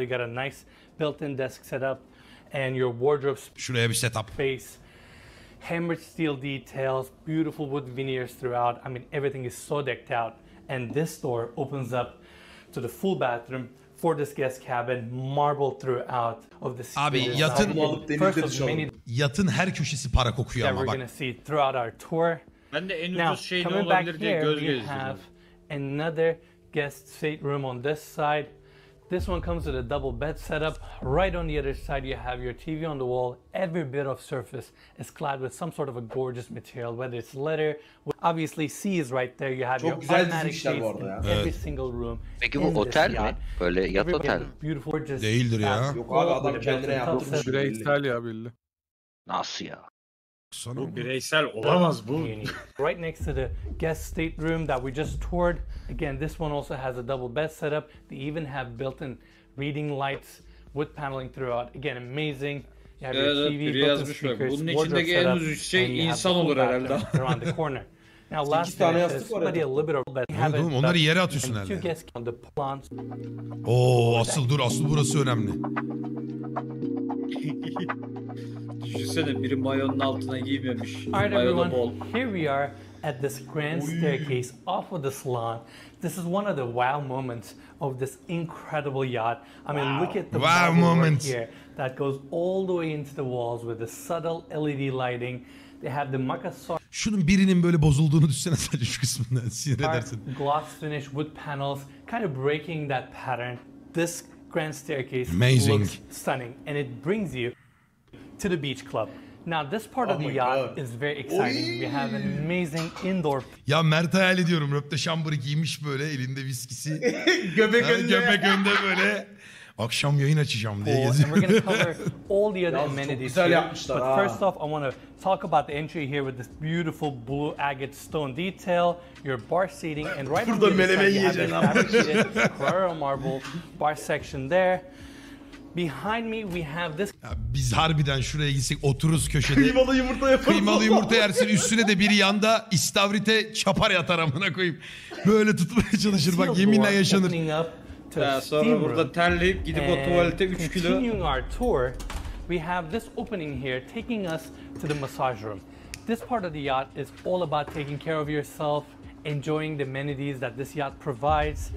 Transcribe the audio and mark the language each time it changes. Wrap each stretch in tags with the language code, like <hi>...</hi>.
<en>You got a nice built-in desk setup and your wardrobe space.</en> <tr>Şuraya bir setup.</tr> <en>Hammered steel details, beautiful wood veneers throughout. I mean, everything is so decked out. And this door opens up to the full bathroom for this guest cabin, marble throughout of the ceiling.</en> <tr>Abi yatın, yatın her köşesi para kokuyor ama bak.</tr> <en>That we're gonna see throughout our tour.</en> <tr>Ben de en ucuz şey ne olabilir diye göz gezdim.</tr> <en>Now, coming back here, we have another guest stateroom on this side. This one comes with a double bed setup. Right on the other side, you have your TV on the wall. Every bit of surface is clad with some sort of a gorgeous material, whether it's leather. Obviously, C is right there. You have</en> <tr>çok</tr> <en>your</en> <tr>güzel</tr> <en>automatic</en> <tr>dizmişler bu arada ya.</tr> <en>Every single room.</en> <tr>Peki bu otel mi? Böyle yat every otel mi?</tr> <en>Beautiful, gorgeous.</en> <tr>Değildir ya. Yok abi, adam kendine yaptırmış. Bireysel ya, belli. Nasıl ya? Sonu bu bireysel olamaz bu.</tr> <en>Right next to the guest stateroom that we just toured. Again, this one also has a double bed setup. They even have built-in reading lights, wood paneling throughout. Again, amazing. You have your TV, built-in speakers,</en> <tr>bunun içindeki en uzun şey insan olur herhalde.</tr> <en>Around the corner. Now, last time I said a little bit of bed.</en> <tr>Onları yere atıyorsun herhalde. Oo, asıl dur, asıl burası önemli. Düşünsene biri mayonun altına giymemiş.</tr> <en>Alright everyone, here we are at this grand staircase off of the salon. This is one of the wow moments of this incredible yacht. I mean, look at the wow moment here that goes all the way into the walls with the subtle LED lighting. They have the Makassar.</en> <tr>Şunun birinin böyle bozulduğunu düşünsene sadece şu kısmından. Sinir edersin.</tr> <en>Gloss finish wood panels, kind of breaking that pattern. This grand staircase amazing looks stunning, and it brings you to the beach club. Now this part of the yacht is very exciting. We have an amazing indoor.</en> <tr>Ya Mert hayal ediyorum, röpte şambırı giymiş böyle, elinde viskisi. Göbek önde. Göbek önde böyle. Akşam yayın açacağım diye geziyorum.</tr> <en>We're gonna cover all the other amenities here. But first off, I want to talk about the entry here with this beautiful blue agate stone detail. Your bar seating and right</en> <tr>burada melemen yiyeceğim.</tr> <en>Coral marble bar section there. Behind me we have this.</en> <tr>Ya biz harbiden şuraya gitsek otururuz köşede. Kıymalı yumurta yaparız. Kıymalı yumurta yersin. Üstüne de biri yanda istavrite çapar yatar amına koyayım. Böyle tutmaya çalışır bak, yeminle yaşanır. Sonra burada terleyip gidip o tuvalete 3 kilo.</tr> <en>Continuing our tour, we have this opening here taking us to the massage room. This part of the yacht is all about taking care of yourself, enjoying the amenities that this yacht provides.</en>